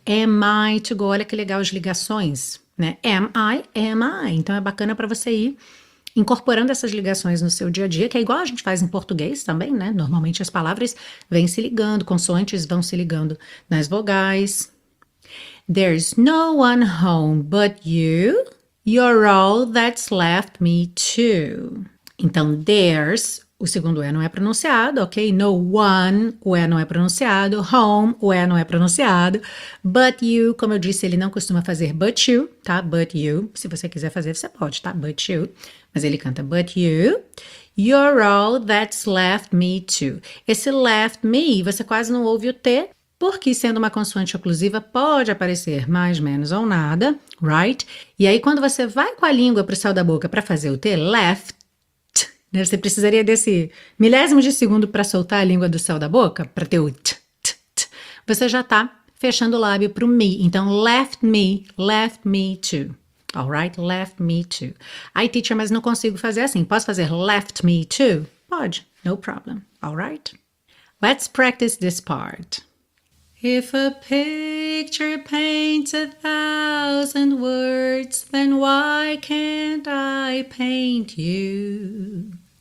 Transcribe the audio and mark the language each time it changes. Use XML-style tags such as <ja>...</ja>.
<en>Am I to go?</en> <pt>Olha que legal as ligações, né?</pt> <en>Am I?</en> <pt>Então é bacana para você ir incorporando essas ligações no seu dia a dia, que é igual a gente faz em português também, né? Normalmente as palavras vêm se ligando, consoantes vão se ligando nas vogais.</pt> <en>There's no one home but you. You're all that's left me too.</en> <pt>Então, there's, o segundo E não é pronunciado, ok? No one, o E não é pronunciado. Home, o E não é pronunciado.</pt> <en>But you,</en> <pt>como eu disse, ele não costuma fazer but you, tá? But you. Se você quiser fazer, você pode, tá?</pt> <en>But you.</en> <pt>Mas ele canta but you.</pt> <en>You're all that's left me too.</en> <pt>Esse left me, você quase não ouve o T. Porque sendo uma consoante oclusiva pode aparecer mais, menos ou nada,</pt> <en>right?</en> <pt>E aí quando você vai com a língua para o céu da boca para fazer o T, left, né, você precisaria desse milésimo de segundo para soltar a língua do céu da boca para ter o t, t, t. Você já tá fechando o lábio para o me. Então</pt> <en>left me too. All right, left me too.</en> <pt>Ai, teacher, mas não consigo fazer assim. Posso fazer</pt> <en>left me too?</en> <pt>Pode,</pt> <en>no problem. All right? Let's practice this part. If a picture paints a thousand words, then why can't I paint you?</en>